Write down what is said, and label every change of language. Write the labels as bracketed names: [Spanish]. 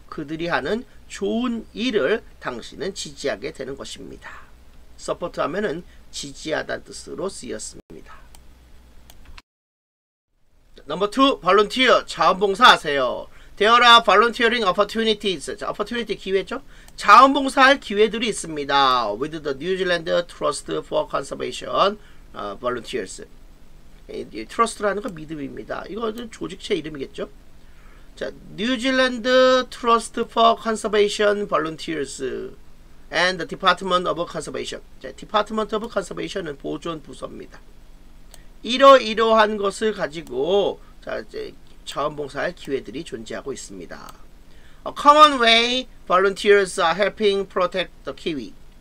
[Korean] 그들이 하는 좋은 일을 당신은 지지하게 되는 것입니다. support 하면은 지지하다는 뜻으로 쓰였습니다. [English] Number 2, volunteer, [Korean] 자원봉사하세요. [English] There are volunteering opportunities. [Korean] 자, opportunity 기회죠? 자원봉사할 기회들이 있습니다. [English] With the New Zealand Trust for Conservation volunteers. [Korean] Trust라는 건 믿음입니다. 이거는 조직체 이름이겠죠? [English] 자, New Zealand Trust for Conservation Volunteers and the Department of Conservation. [Korean] 자, Department of Conservation은 보존 부서입니다. 이러이러한 것을 가지고 자, 이제 자원봉사할 기회들이 존재하고 있습니다. [English] A common way volunteers are helping protect the kiwi.